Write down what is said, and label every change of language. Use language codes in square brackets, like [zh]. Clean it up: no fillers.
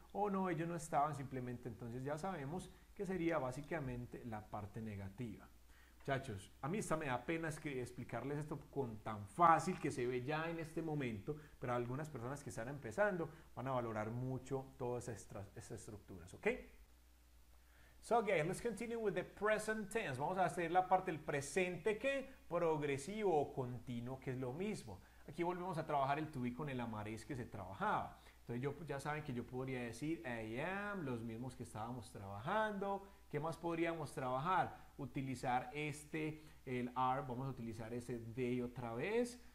[es] O no, ellos no estaban, simplemente entonces ya sabemos que sería básicamente la parte negativa. Muchachos, a mí me da pena explicarles esto con tan fácil que se ve ya en este momento, pero algunas personas que están empezando van a valorar mucho todas estas estructuras, ¿ok? [en] So, guys, let's continue with the present tense. [es] Vamos a hacer la parte del presente, ¿qué? Progresivo o continuo, que es lo mismo. Aquí volvemos a trabajar el to be con el amarés que se trabajaba. Entonces, yo, ya saben que yo podría decir, [en] I am, [es] los mismos que estábamos trabajando. ¿Qué más podríamos trabajar? Utilizar este, el are, vamos a utilizar ese they otra vez.